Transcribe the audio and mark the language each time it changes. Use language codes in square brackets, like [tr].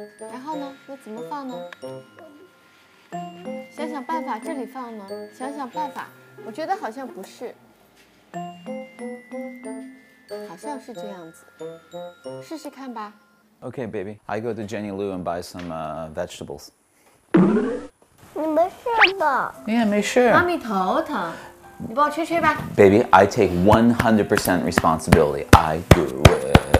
[zh] 然后呢？那怎么放呢？想想办法，这里放呢？想想办法，我觉得好像不是，好像是这样子，试试看吧。 [en] Okay, baby, I go to Jenny Lou and buy some vegetables. [zh] 你没事吧？ Yeah, 没事。妈咪头疼，你帮我吹吹吧。 [en] Baby, I take 100% responsibility. I do it.